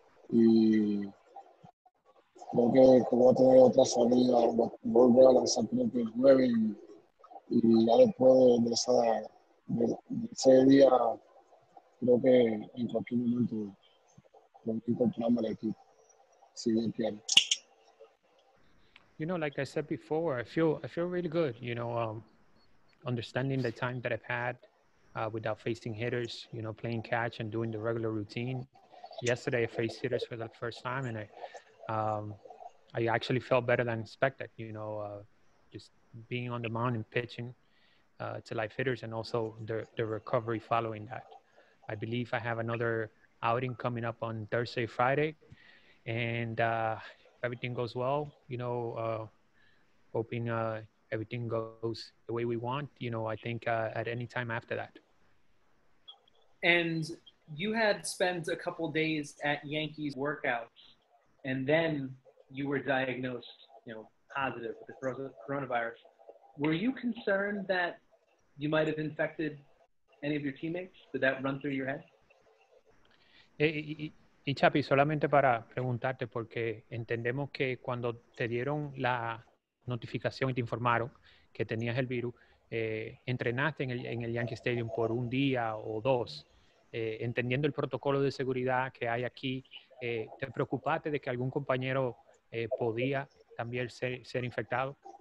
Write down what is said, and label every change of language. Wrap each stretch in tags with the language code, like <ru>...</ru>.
<es>Y creo que voy a tener otra salida, volver a lanzar creo que el 9 y ya después de ese día, creo que en cualquier momento con que encontrarme el equipo, si bien quiero.</es> <en>You know, like I said before, I feel really good, you know, understanding the time that I've had without facing hitters, you know, playing catch and doing the regular routine. Yesterday, I faced hitters for the first time, and I actually felt better than expected, you know, just being on the mound and pitching to live hitters and also the recovery following that. I believe I have another outing coming up on Thursday, Friday, and if everything goes well, you know, hoping everything goes the way we want, you know, I think at any time after that. And you had spent a couple days at Yankees workout, and then you were diagnosed, you know, positive with the coronavirus. Were you concerned that you might have infected any of your teammates? Did that run through your head?</en> <es>Y Chapi, solamente para preguntarte, porque entendemos que cuando te dieron la notificación y te informaron que tenías el virus, entrenaste en el Yankee Stadium por un día o dos. Entendiendo el protocolo de seguridad que hay aquí, ¿te preocupaste de que algún compañero podía también ser infectado?</es>